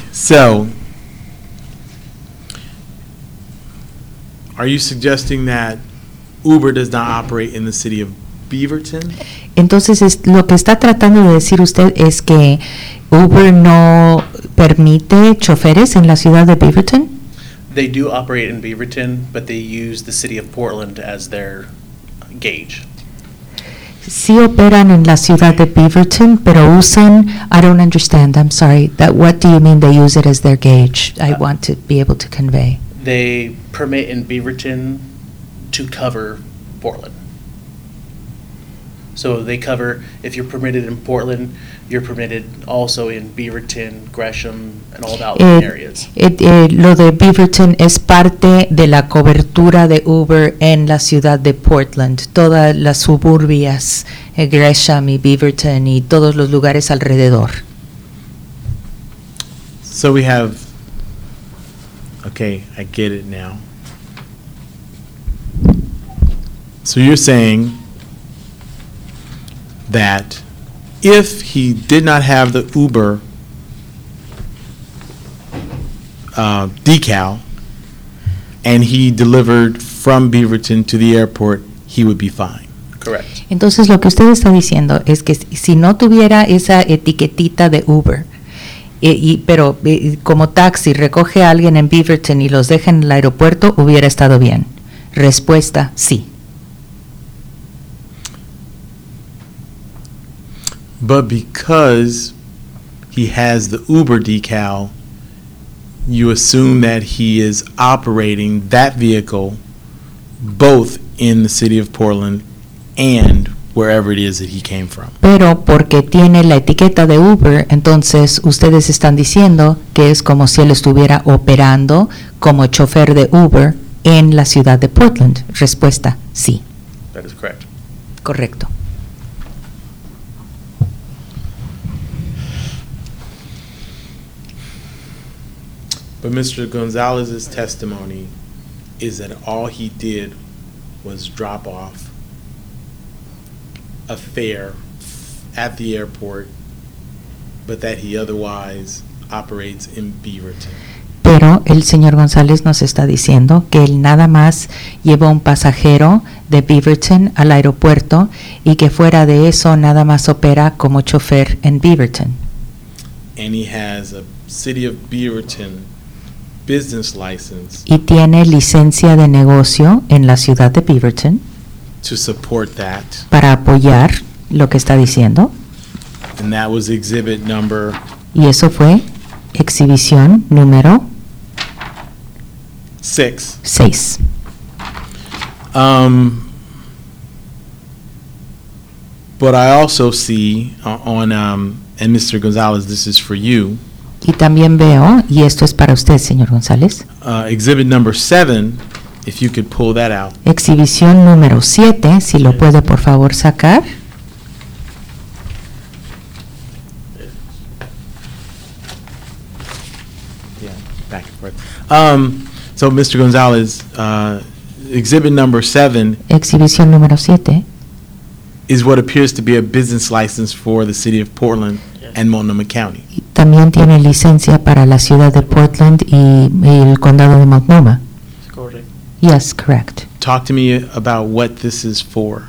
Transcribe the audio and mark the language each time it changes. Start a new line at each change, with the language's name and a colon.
English: So, are you suggesting that Uber does not operate in the city of Beaverton?
Spanish: Entonces, lo que está tratando de decir usted es que Uber no permite choferes en la ciudad de Beaverton?
English: They do operate in Beaverton, but they use the city of Portland as their gauge.
Spanish: Sí operan en la ciudad de Beaverton, pero usan,
English: I don't understand, I'm sorry, that what do you mean they use it as their gauge? I want to be able to convey. They permit in Beaverton to cover Portland. So they cover, if you're permitted in Portland, you're permitted also in Beaverton, Gresham, and all the outlying areas.
Spanish: Lo de Beaverton es parte de la cobertura de Uber en la ciudad de Portland. Todas las suburbias, Gresham y Beaverton y todos los lugares alrededor.
English: So we have, okay, I get it now. So you're saying that if he did not have the Uber decal and he delivered from Beaverton to the airport, he would be fine. Correct.
Spanish: Entonces, lo que usted está diciendo es que si no tuviera esa etiquetita de Uber, pero como taxi recoge a alguien en Beaverton y los deja en el aeropuerto, hubiera estado bien. Respuesta, sí.
English: But because he has the Uber decal, you assume that he is operating that vehicle both in the city of Portland and wherever it is that he came from.
Spanish: Pero porque tiene la etiqueta de Uber, entonces ustedes están diciendo que es como si él estuviera operando como chofer de Uber en la ciudad de Portland. Respuesta, sí.
English: That is correct.
Spanish: Correcto.
English: But Mr. Gonzalez's testimony is that all he did was drop off a fare at the airport, but that he otherwise operates in Beaverton.
Spanish: Pero el señor González nos está diciendo que él nada más llevó un pasajero de Beaverton al aeropuerto y que fuera de eso nada más opera como chofer en Beaverton.
English: And he has a city of Beaverton business license.
Spanish: Y tiene licencia de negocio en la ciudad de Beaverton.
English: To support that.
Spanish: Para apoyar lo que está diciendo.
English: And that was exhibit number.
Spanish: Y eso fue exhibición número
English: 6.
Spanish: 6.
English: But I also see on and Mr. Gonzalez, this is for you.
Spanish: Y también veo, y esto es para usted, señor González.
English: Exhibit number 7, if you could pull that out.
Spanish: Exhibición número 7, si lo puede por favor sacar.
English: Yeah, back and forth. So Mr. González, exhibit number 7.
Spanish: Exhibición número 7
English: is what appears to be a business license for the city of Portland and Multnomah County.
Spanish: también tiene licencia para la ciudad de Portland y el condado de Multnomah.
English: Correct. Yes, correct. Talk to me about what this is for.